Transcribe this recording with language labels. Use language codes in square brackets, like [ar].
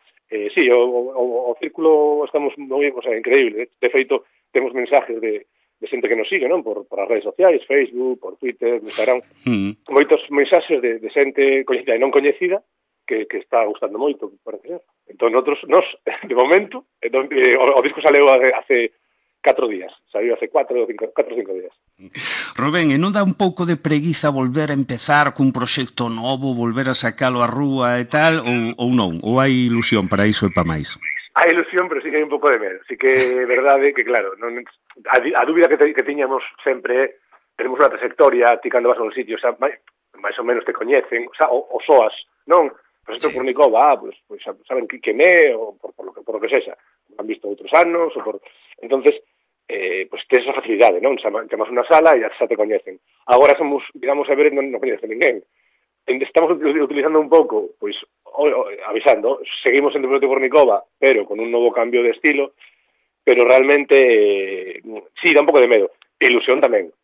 [gl] Sí, o círculo estamos moi, o sea, increíble. De feito, temos mensajes de xente que nos sigue, non? Por as redes sociais, Facebook, por Twitter, Instagram, moitos mensaxes de xente coñecida e non coñecida que está gustando moito, parece ser. Entón, nos, de momento, o disco saleu hace 4 días, saiu hace 4 ou 5 días. Rubén, e non dá un pouco de preguiza volver a empezar cun proxecto novo, volver a sacalo á rúa e tal, ou non? Ou hai ilusión para iso e para máis? Hai ilusión, pero sí que hai un pouco de medo. Sí que é verdade que, claro, non, a dúbida que tiñamos sempre, tenemos unha trayectoria, ti cando vas a un sitio, xa, máis ou menos te coñecen, xa, o soas, non? [es] Pues esto sí. Por Nicova, pues saben quién es, o por lo que sea, lo han visto otros años, o por... Entonces, pues tienes esa facilidad, ¿no? Llamas a una sala y ya te conocen. Ahora somos, digamos, a ver, no conoce ningún. Estamos utilizando un poco, pues, avisando, seguimos en el proyecto por Nicova, pero con un nuevo cambio de estilo, pero realmente, sí, da un poco de miedo. Ilusión también.